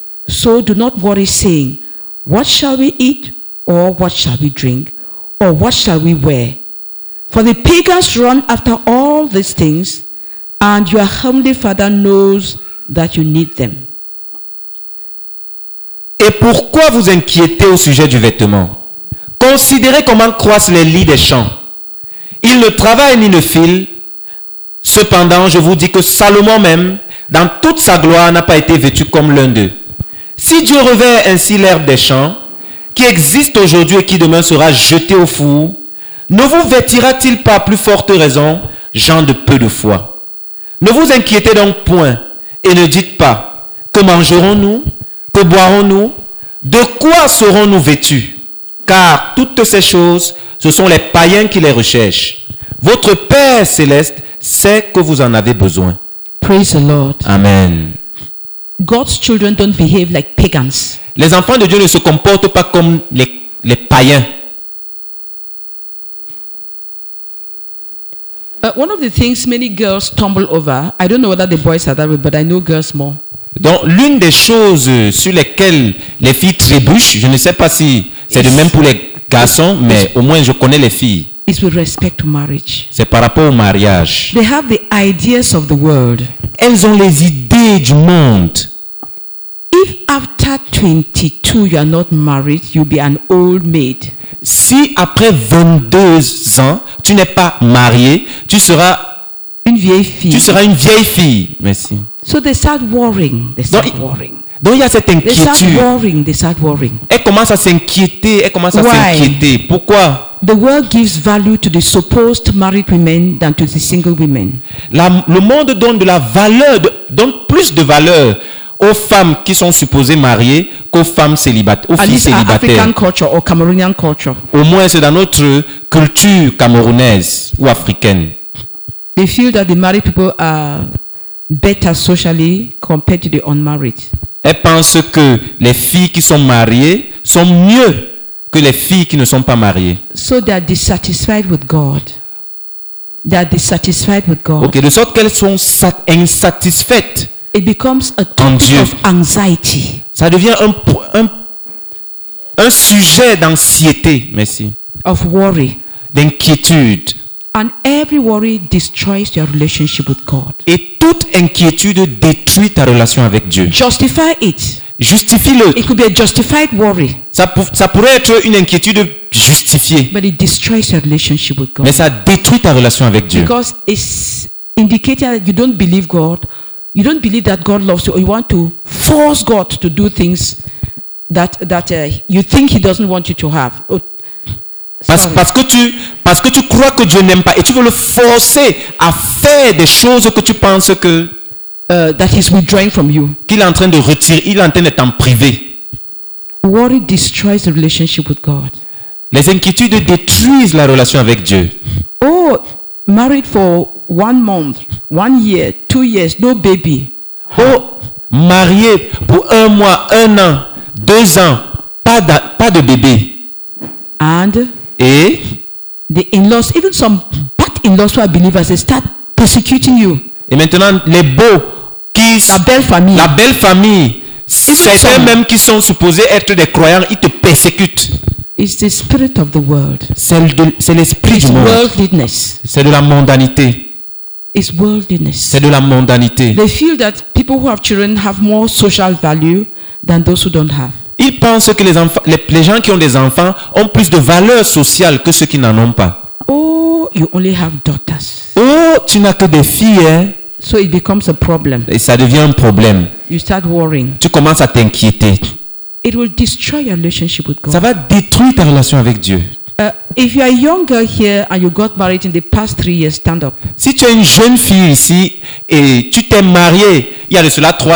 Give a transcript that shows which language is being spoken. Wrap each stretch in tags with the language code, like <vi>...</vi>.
<en>So do not worry, saying, what shall we eat, or what shall we drink, or what shall we wear? For the pagans run after all these things, and your heavenly Father knows that you need them.</en> <fr>Et pourquoi vous inquiétez au sujet du vêtement? Considérez comment croissent les lis des champs. Ils ne travaillent ni ne filent. Cependant, je vous dis que Salomon même, dans toute sa gloire, n'a pas été vêtu comme l'un d'eux. Si Dieu revêt ainsi l'herbe des champs, qui existe aujourd'hui et qui demain sera jetée au four, ne vous vêtira-t-il pas à plus forte raison, gens de peu de foi? Ne vous inquiétez donc point et ne dites pas, que mangerons-nous? Que boirons-nous? De quoi serons-nous vêtus? Car toutes ces choses, ce sont les païens qui les recherchent. Votre Père céleste sait que vous en avez besoin.</fr> <en>Praise the Lord. Amen. God's children don't behave like pagans.</en> <fr>Les enfants de Dieu ne se comportent pas comme les païens.</fr> <en>One of the things many girls stumble over, I don't know whether the boys are that way, but I know girls more.</en> <fr>Donc, l'une des choses sur lesquelles les filles trébuchent, je ne sais pas si c'est de même pour les garçons, mais au moins je connais les filles.</fr> <en>Is with respect to marriage.</en> <fr>C'est par rapport au mariage.</fr> <en>They have the ideas of the world.</en> <fr>Elles ont les idées du monde.</fr> <en>If after 22 you are not married, you'll be an old maid.</en> <fr>Si après 22 ans tu n'es pas marié, tu seras une vieille fille. Tu seras une vieille fille. Merci.</fr> <en>So they start worrying.</en> <fr>Donc il y a cette inquiétude.</fr> <en>They start worrying.</en> <fr>Elle commence à s'inquiéter. Pourquoi?</fr> <en>The world gives value to the supposed married women than to the single women.</en> <fr>Le monde donne plus de valeur aux femmes qui sont supposées mariées qu'aux femmes célibataires, aux filles célibataires.</fr> <en>African culture or Cameroonian culture.</en> <fr>Au moins c'est dans notre culture camerounaise ou africaine.</fr> <en>They feel that the married people are better socially compared to the unmarried.</en> <fr>Elles pensent que les filles qui sont mariées sont mieux que les filles qui ne sont pas mariées.</fr> <en>So they are dissatisfied with God. They are dissatisfied with God.</en> <fr>Okay, de sorte qu'elles sont insatisfaites.</fr> <en>It becomes a topic of anxiety.</en> <fr>Ça devient un sujet d'anxiété, merci.</fr> <en>Of worry.</en> <fr>D'inquiétude.</fr> <en>And every worry destroys your relationship with God.</en> <fr>Et toute inquiétude détruit ta relation avec Dieu.</fr> <en>Justify it.</en> <fr>Justifie-le.</fr> <en>It could be a justified worry.</en> <fr>Ça pourrait être une inquiétude justifiée.</fr> <en>But it destroys your relationship with God.</en> <fr>Mais ça détruit ta relation avec Dieu.</fr> <en>Because it's indicating that you don't believe God. You don't believe that God loves you, or you want to force God to do things that you think He doesn't want you to have.</en> <fr>Parce que tu crois que Dieu n'aime pas et tu veux le forcer à faire des choses que tu penses que</fr> <en>that He's withdrawing from you.</en> <fr>Qu'il est en train de retirer, il est en train de t'en priver.</fr> <en>Worry destroys the relationship with God.</en> <fr>Les inquiétudes détruisent la relation avec Dieu.</fr> <en>Oh, married for 1 month, 1 year, 2 years, no baby.</en> <fr>Oh, marié pour 1 mois, 1 an, 2 ans, pas de bébé.</fr> <en>And</en> <fr>et</fr> <en>the in-laws, even some bad in-laws who are believers, they start persecuting you.</en> <fr>Et maintenant les beaux qui la belle famille, certains même qui sont supposés être des croyants, ils te persécutent.</fr> <en>It's the spirit of the world.</en> <fr>C'est l'esprit du monde.</fr> <en>Worldliness.</en> <fr>C'est de la mondanité.</fr> <en>It's worldliness.</en> <fr>C'est de la mondanité.</fr> <en>They feel that people who have children have more social value than those who don't have.</en> <fr>Ils pensent que les gens qui ont des enfants ont plus de valeur sociale que ceux qui n'en ont pas.</fr> <en>Oh, you only have daughters.</en> <fr>Oh, tu n'as que des filles. Hein?</fr> <en>So it becomes a problem.</en> <fr>Et ça devient un problème.</fr> <en>You start worrying.</en> <fr>Tu commences à t'inquiéter.</fr> <en>It will destroy your relationship with God.</en> <fr>Ça va détruire ta relation avec Dieu.</fr> <en>If you are a young girl here and you got married in the past 3 years, stand up.</en> <fr>Si tu es une jeune fille ici et tu t'es mariée, il y a de cela</fr>